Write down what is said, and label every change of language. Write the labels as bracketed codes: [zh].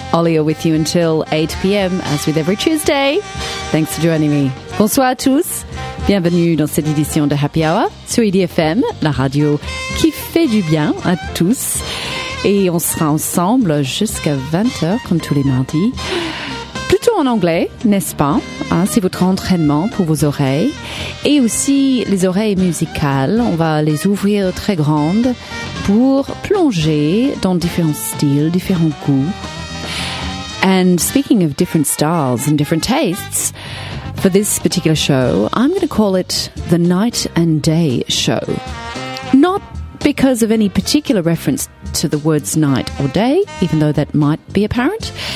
[en] Ollie are with you until 8 p.m. as with every Tuesday. Thanks for joining me. [fr] Bonsoir à tous, bienvenue dans cette édition de Happy Hour sur IDFM, la radio qui fait du bien à tous. Et on sera ensemble jusqu'à 20h comme tous les mardis. Plutôt en anglais, n'est-ce pas? C'est votre entraînement pour vos oreilles et aussi les oreilles musicales. On va les ouvrir très grandes pour plonger dans différents styles, différents goûts. [en] And speaking of different styles and different tastes, for this particular show, I'm going to call it the Night and Day Show. Not because of any particular reference to the words night or day, even though that might be apparent.